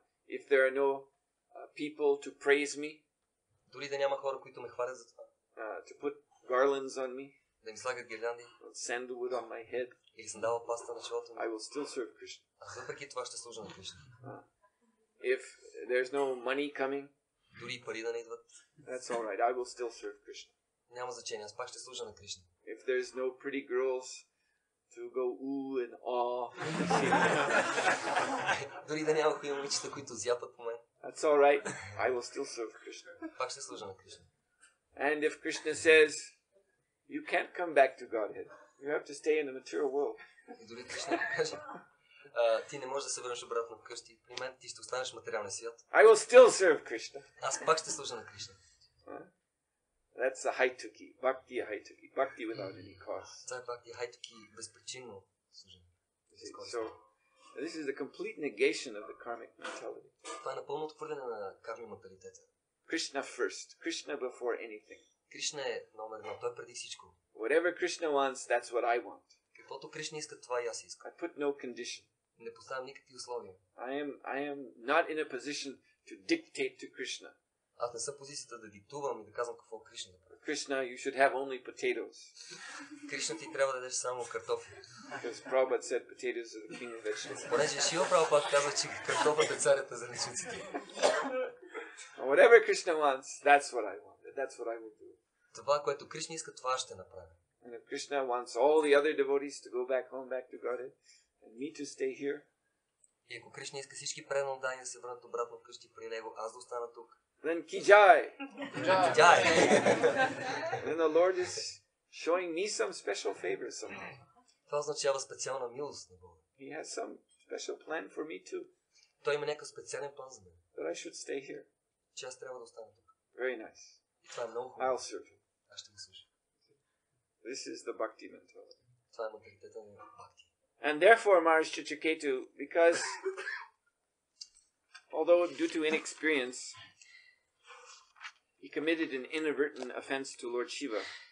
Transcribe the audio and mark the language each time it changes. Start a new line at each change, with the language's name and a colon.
English: If there are no people to praise me.
Bulgarian: Дори да няма хора, които ме хвалят за това.
English: To put garlands on me.
Bulgarian: Да ми слагат гирлянди.
English: Sandalwood on my head.
Bulgarian: Или сандала паста на челото ми.
English: I will still serve Krishna.
Bulgarian: А въпреки това ще служа на Кришна.
English: If there's no money coming.
Bulgarian: Дори пари да не идват.
English: That's all right. I will still serve Krishna.
Bulgarian: Няма значение, аз пак ще служа на Кришна.
English: If there's no pretty girls to go ooh and awe.
Bulgarian: Дори да няма момичета, които зяпат по мен.
English: That's all right. I will still serve Krishna.
Bulgarian: Пак ще служа на Кришна.
English: And if Krishna says, you can't come back to Godhead. You have to stay in the material world.
Bulgarian: И дори Кришна каже, ти не можеш да се върнеш обратно вкъщи. При мен ти ще останеш в материалния свят.
English: I will still serve Krishna.
Bulgarian: Аз пак ще служа на Кришна.
English: That's a haituki, bhakti haituki, bhakti without any cause.
Bulgarian: Това е бхакти haituki, безпричинно служение.
English: So, this is the complete negation of the karmic mentality.
Bulgarian: Това е напълно отхвърляне на карми манталитета.
English: Krishna first, Krishna before anything.
Bulgarian: Кришна е номер едно, той е преди всичко.
English: Whatever Krishna wants, that's what I want.
Bulgarian: Каквото Кришна иска, това и аз искам.
English: I put no condition.
Bulgarian: Не поставям никакви условия.
English: I am not in a position to dictate to Krishna.
Bulgarian: Аз не съм позицията да диктувам и да казвам какво Кришна.
English: Krishna, you should have only potatoes.
Bulgarian: Кришна, ти трябва да дадеш само картофи.
English: Because Prabhupada said potatoes are the king of vegetables.
Bulgarian: Понеже Шила Прабхупада казва, че картофът е царят на зеленчуците.
English: Whatever Krishna wants, that's what I want. That's what I will do.
Bulgarian: Това, което Кришна иска, това ще направя.
English: And if Krishna wants all the other devotees to go back home, back to Godhead, and me to stay here.
Bulgarian: И ако Кришна иска всички преданни да се върнат обратно вкъщи при него, аз да остана тук.
English: Then Kijai.
Hindi: Kijai.
English: Then the Lord is showing me some special favor somehow.
Bulgarian: Това означава специална милост на Бога.
English: He has some special plan for me too.
Bulgarian: Той има някакъв специален план за мен.
English: That I should stay here.
Bulgarian: Че аз трябва да остана тук.
English: Very nice.
Bulgarian: И това е много хубаво.
English: I'll serve him.
Bulgarian: Аз ще го служа.
English: This is the bhakti mentality.
Bulgarian: Това е манталитета на бхакти.
English: And therefore, Maharaj Chuchuketu, because although due to inexperience, he committed an inadvertent offense to Lord Shiva.